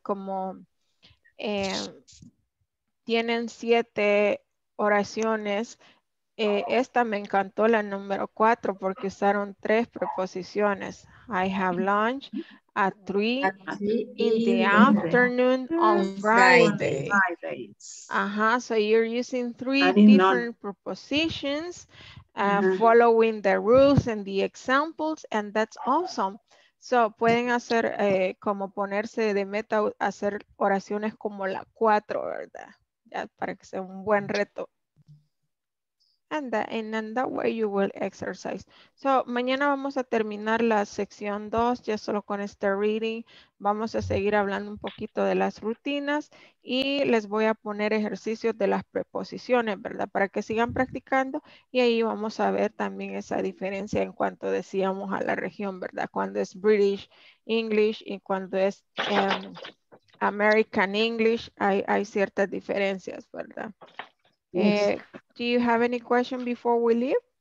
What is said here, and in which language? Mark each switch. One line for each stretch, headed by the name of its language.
Spanish: Como tienen 7 oraciones, esta me encantó, la número 4, porque usaron 3 preposiciones.
English: I have lunch at 3 in the afternoon on Friday. So you're using 3 different prepositions, following the rules and the examples, and that's awesome.
Spanish: So pueden hacer como ponerse de meta hacer oraciones como la 4, ¿verdad? Ya, para que sea un buen reto.
English: And that way you will exercise.
Spanish: So, mañana vamos a terminar la sección 2, ya solo con este reading. Vamos a seguir hablando un poquito de las rutinas y les voy a poner ejercicios de las preposiciones, ¿verdad? Para que sigan practicando y ahí vamos a ver también esa diferencia en cuanto decíamos a la región, ¿verdad? Cuando es British English y cuando es American English, hay ciertas diferencias, ¿verdad?
English: Do you have any question before we leave?